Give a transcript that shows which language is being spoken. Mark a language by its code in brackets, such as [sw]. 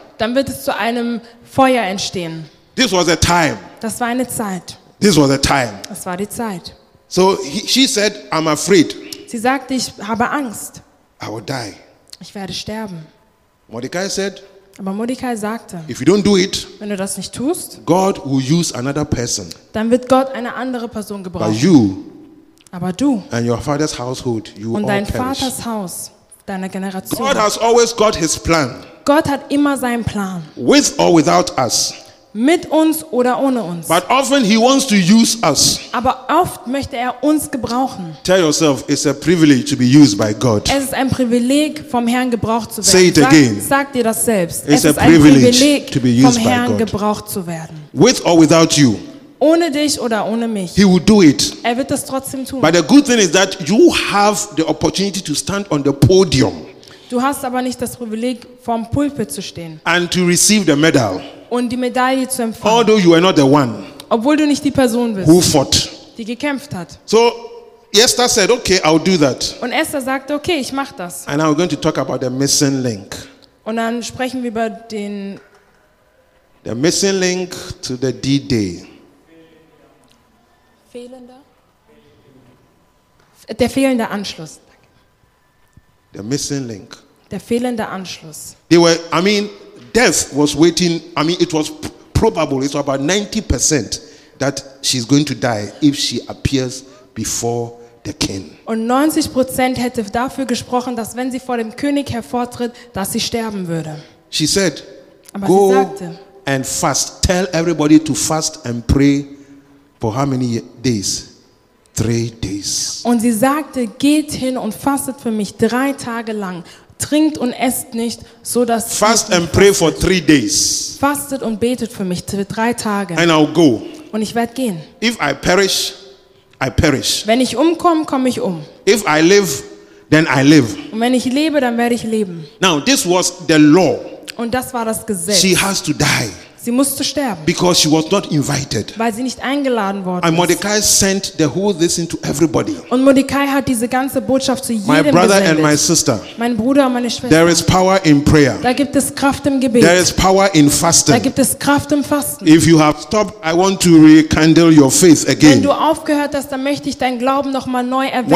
[de] Dann wird es zu einem Feuer entstehen. [en] This was a time. [de] Das war eine Zeit. [en] This was a time. [de] Das war die Zeit. [en] So she said, I'm afraid. [de] Sie sagte, ich habe Angst. [en] I will die. [de] Ich werde sterben. [en] Mordecai said, [de] aber Mordecai sagte, [en] if you don't do it, [de] wenn du das nicht tust, [en] God will use another person. [de] Dann wird Gott eine andere Person gebrauchen. [en] But you, [de] aber du [en] and your father's household, you [de] und dein [en] all [de] Vaters [en] perish. [de] Haus, deine Generation. [en] God has always got his plan. [de] Gott hat immer seinen Plan. [en] With or without us. [de] Mit uns oder ohne uns. [en] But often he wants to use us. [de] Aber oft möchte er uns gebrauchen. [en] Tell yourself, it's a privilege to be used by God. [de] Es ist ein Privileg, vom Herrn gebraucht zu werden. [en] Say it again. [de] Sag dir das selbst. [en] It's [de] es ist ein Privileg, [en] to be used [de] vom Herrn [en] by God. [de] Gebraucht zu werden. [en] With or without you. [de] Ohne dich oder ohne mich. [en] He will do it. [de] Er wird das trotzdem tun. [en] But the good thing is that you have the opportunity to stand on the podium. [de] Du hast aber nicht das Privileg, vorm Pulpit zu stehen. [en] And to receive the medal. [de] Und die Medaille zu empfangen. [en] Although you are not the one, [de] obwohl du nicht die Person bist, [en] who fought. [de] Die gekämpft hat. [en] So Esther said, okay, I'll do that. [de] Und Esther sagte, okay, ich mache das. [en] And now we're going to talk about the missing link. [de] Und dann sprechen wir über den [en] the missing link to the D-Day. [de] Fehlender? Der fehlende Anschluss. [en] The missing link. [de] Der fehlende Anschluss. [en] Death was waiting. I mean, it was probable. It's about 90% that she's going to die if she appears before the king. [de] Und 90% hätte dafür gesprochen, dass wenn sie vor dem König hervortritt, dass sie sterben würde. [en] She said, [de] aber [en] go [de] sie sagte, [en] and fast. Tell everybody to fast and pray for how many days? 3 days. [de] Und sie sagte, geht hin und fastet für mich 3 Tage lang. Trinkt und esst nicht, so dass [en] fast and pray for 3 days. [de] Fastet und betet für mich 3 Tage. [en] And I'll go. [de] Und ich werde gehen. [en] If I perish, I perish. [de] Wenn ich umkomme, komme ich um. [en] If I live, then I live. [de] Und wenn ich lebe, dann werde ich leben. [en] Now this was the law. [de] Und das war das Gesetz. [en] She has to die. [de] Sie musste sterben. [en] Because she was not invited. [de] Weil sie nicht eingeladen worden ist. [en] And Mordecai sent the whole thing to everybody. [de] Und Mordecai hat diese ganze Botschaft zu jedem gesendet. [en] My brother and my sister. [de] Mein Bruder und meine Schwester. [en] There is power in prayer. [de] Da gibt es Kraft im Gebet. [en] There is power in fasting. [de] Da gibt es Kraft im Fasten. [en] If you have stopped, I want to rekindle your faith again. [de] Wenn du aufgehört hast, dann möchte ich deinen Glauben noch mal neu erwecken.